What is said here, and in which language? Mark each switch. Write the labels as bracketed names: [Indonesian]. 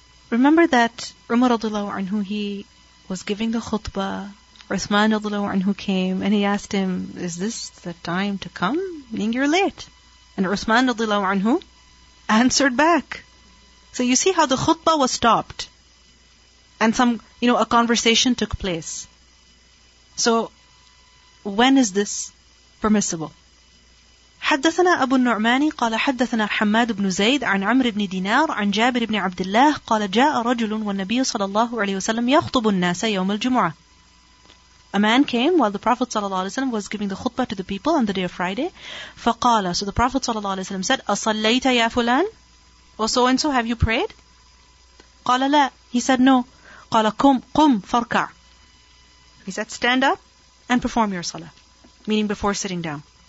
[English] Remember that Umar radiallahu anhu, he was giving the khutbah, Uthman radiallahu anhu came and he asked him, is this the time to come? Meaning you're late. And Uthman radiallahu anhu answered back. So you see how the khutbah was stopped and some, you know, a conversation took place. So when is this permissible? [Arabic] حدثنا أبو النعمان قال حدثنا حماد بن زيد عن عمرو بن دينار عن جابر بن عبد الله قال جاء رجل والنبي صلى الله عليه وسلم يخطب الناس يوم الجمعة. [English] A man came while the Prophet [Arabic] صلى الله عليه وسلم [English] was giving the khutbah to the people on the day of Friday. [Arabic] فقال, [English] so the Prophet [Arabic] صلى الله عليه وسلم [English] said, [Arabic] أصليت يا فلان? [English] Or so and so, have you prayed? [Arabic] قال لا. [English] He said no. [Arabic] قال قم فركع. [English] He said stand up and perform your salah. Meaning before sitting down.